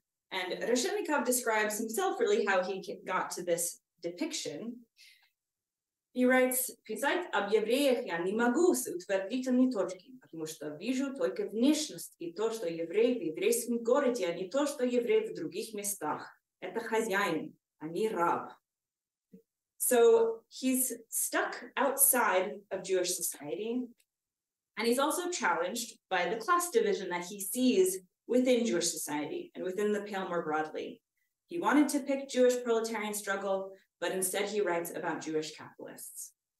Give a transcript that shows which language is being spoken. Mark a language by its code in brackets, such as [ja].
[en] And Reshetnikov describes himself really how he got to this depiction. He writes, [ru] «Писать об евреях я не могу с утвердительной точки, потому что вижу только внешность и то, что евреи в еврейском городе, а не то, что евреи в других местах. Это хозяин, а не раб». [en] So he's stuck outside of Jewish society, and he's also challenged by the class division that he sees within Jewish society and within the Pale more broadly. He wanted to pick Jewish proletarian struggle, but instead he writes about Jewish capitalists.